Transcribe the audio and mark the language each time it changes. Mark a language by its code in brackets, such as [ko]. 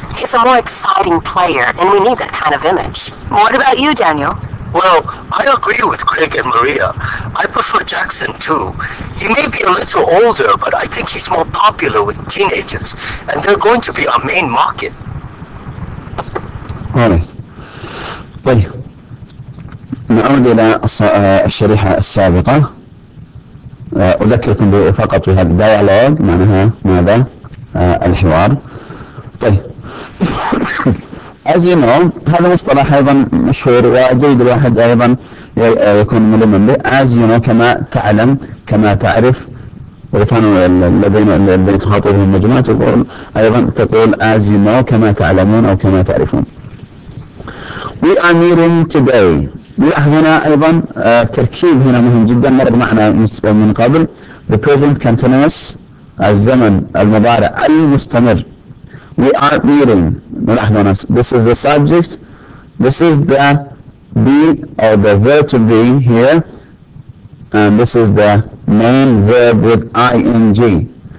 [en] He's a more exciting player, and we need that kind of image. What about you, Daniel? Well, I agree with Craig and Maria. I prefer Jackson, too. He may be a little older, but I think he's more popular with teenagers, and they're going to be our main market. All right. Thank you. [ar] نعود إلى الشريحة السابقة. أذكركم فقط بهذا الديالوج، معناها ماذا؟ الحوار. طيب [en] as you know، [ar] هذا مصطلح أيضا مشهور وجيد، الواحد أيضا يكون ملما به. [en] as you know، [ar] كما تعلم، كما تعرف. وكانوا الذين تخاطبهم المجموعة تقول أيضا تقول as you know، كما تعلمون أو كما تعرفون. [en] we are meeting today. [ar] نلاحظ هنا أيضا التركيب هنا مهم جدا، مر معنا من قبل [en] the present continuous، [ar] الزمن المضارع المستمر. [en] we are meeting، [ar] نلاحظ هنا [en] this is the subject، this is the be or the verb to be here، and this is the main verb with ing.